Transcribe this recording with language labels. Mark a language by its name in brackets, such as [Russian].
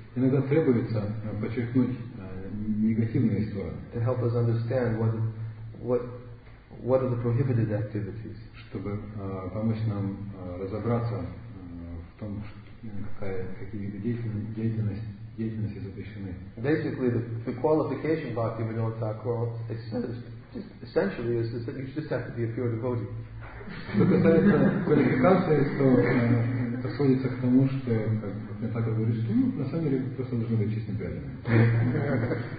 [Russian] Иногда требуется подчеркнуть негативные стороны. [English] To help us understand what are the prohibited activities. [Russian] Чтобы помочь нам разобраться в том, какие деятельности запрещены. [English] Basically, the qualification Bhaktivinoda Thakur essentially is that you just have to be a pure devotee. [Russian] Что касается квалификации, то это сводится к тому, что, как я так говорю, что на самом деле просто нужно быть чистым преданным.